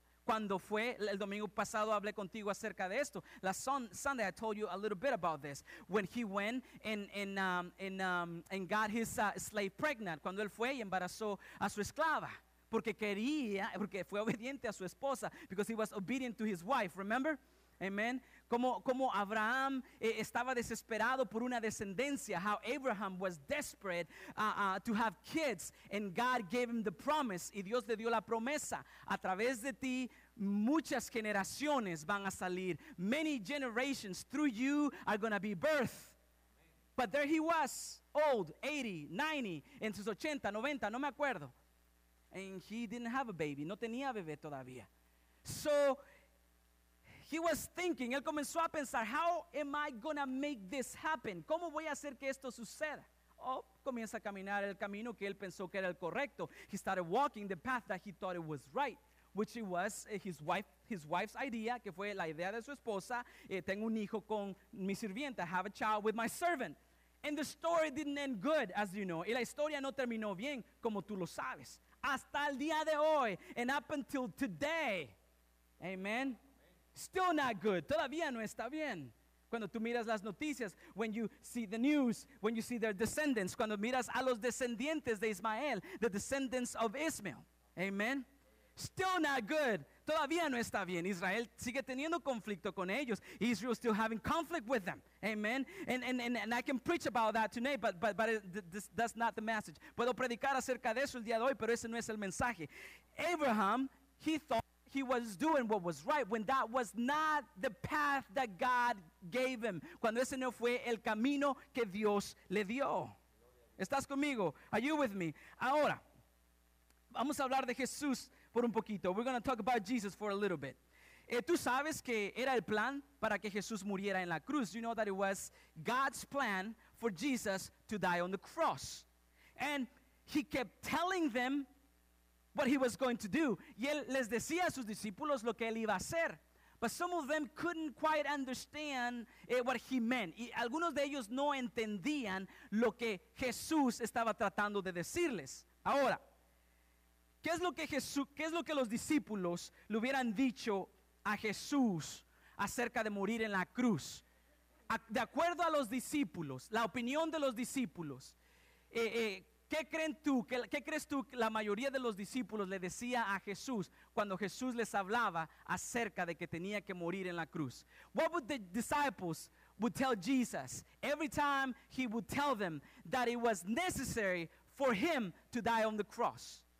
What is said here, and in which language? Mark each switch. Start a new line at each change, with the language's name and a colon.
Spanish: Cuando fue el domingo pasado, hablé contigo acerca de esto.
English: Sunday, I told you a little bit about this. When he went and got his slave pregnant.
Spanish: Cuando él fue y embarazó a su esclava. Porque quería, porque fue obediente a su esposa.
English: Because he was obedient to his wife, remember? Amen.
Spanish: Como Abraham estaba desesperado por una descendencia.
English: How Abraham was desperate to have kids, and God gave him the promise.
Spanish: Y Dios le dio la promesa: a través de ti muchas generaciones van a salir.
English: Many generations through you are going to be birthed. But there he was, old, 80, 90,
Spanish: en sus 80, 90, no me acuerdo.
English: And he didn't have a baby,
Spanish: no tenía bebé todavía.
English: So he was thinking,
Spanish: él comenzó a pensar,
English: how am I going to make this happen?
Spanish: ¿Cómo voy a hacer que esto suceda? Oh, comienza a caminar el camino que él pensó que era el correcto.
English: He started walking the path that he thought it was right, which it was his wife's idea,
Spanish: que fue la idea de su esposa. Tengo un hijo con mi sirvienta,
English: I have a child with my servant. And the story didn't end good, as you know.
Spanish: Y la historia no terminó bien, como tú lo sabes. Hasta el día de hoy,
English: and up until today,
Spanish: amen.
English: Still not good.
Spanish: Todavía no está bien. Cuando tú miras las noticias,
English: when you see the news, when you see their descendants,
Spanish: cuando miras a los descendientes de Ismael,
English: the descendants of Ismael. Amen. Still not good.
Spanish: Todavía no está bien. Israel sigue teniendo conflicto con ellos.
English: Israel still having conflict with them. Amen. And I can preach about that today, but that's not the message.
Spanish: Puedo predicar acerca de eso el día de hoy, pero ese no es el mensaje.
English: Abraham, he thought he was doing what was right when that was not the path that God gave him.
Spanish: Cuando ese no fue el camino que Dios le dio. ¿Estás conmigo?
English: Are you with me?
Spanish: Ahora, vamos a hablar de Jesús por un poquito.
English: We're going to talk about Jesus for a little bit.
Spanish: Tú sabes que era el plan para que Jesús muriera en la cruz.
English: You know that it was God's plan for Jesus to die on the cross. And he kept telling them what he was going to do.
Spanish: Y él les decía a sus discípulos lo que él iba a hacer.
English: But some of them couldn't quite understand what he meant.
Spanish: Y algunos de ellos no entendían lo que Jesús estaba tratando de decirles. Ahora, ¿qué es lo que Jesús, qué es lo que los discípulos le hubieran dicho a Jesús acerca de morir en la cruz? De acuerdo a los discípulos, la opinión de los discípulos, ¿qué creen tú? ¿Qué crees tú que la mayoría de los discípulos le decía a Jesús cuando Jesús les hablaba acerca de que tenía que morir en la cruz?
English: What would the disciples would tell Jesus every time he would tell them that it was necessary for him to die on the cross?